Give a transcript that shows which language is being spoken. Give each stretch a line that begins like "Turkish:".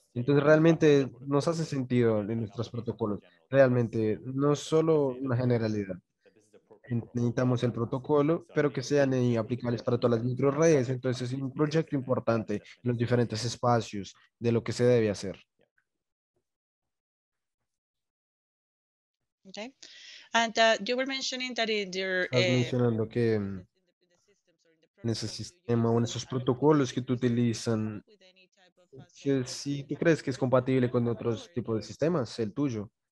Spanish: Entonces, realmente nos hace sentido en nuestros protocolos. Realmente, no solo una generalidad. Necesitamos el protocolo, pero que sean aplicables para todas las microredes. Entonces, es un proyecto importante en los diferentes espacios de lo que se debe hacer.
English: Okay. And you were mentioning that in your
Spanish: mencionando que en ese sistema o en esos protocolos que tú utilizan, que si tú crees que es compatible con otros tipos de sistemas, el tuyo.